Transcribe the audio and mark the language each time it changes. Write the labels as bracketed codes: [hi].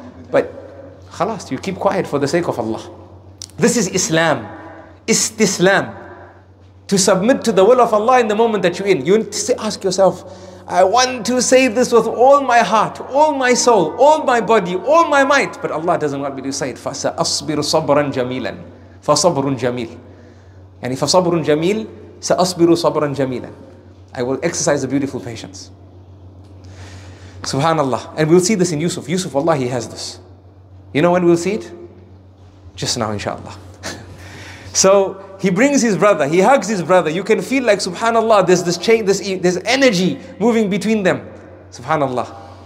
[en] But, khalas, you keep quiet for the sake of Allah. This is Islam. Istislam. To submit to the will of Allah in the moment that you're in. You ask yourself, I want to say this with all my heart, all my soul, all my body, all my might. But Allah doesn't want me to say it. [ar] Fasa asbir sabran jameelan. فَصَبْرٌ جَمِيلٌ يعني فَصَبْرٌ جَمِيلٌ سَأَصْبِرُ صَبْرًا جَمِيلًا. [en] I will exercise a beautiful patience. SubhanAllah. And we'll see this in Yusuf. Yusuf, Allah, he has this. You know when we'll see it? Just now, inshallah. So he brings his brother. He hugs his brother. You can feel like, SubhanAllah, there's this chain, there's energy moving between them. SubhanAllah.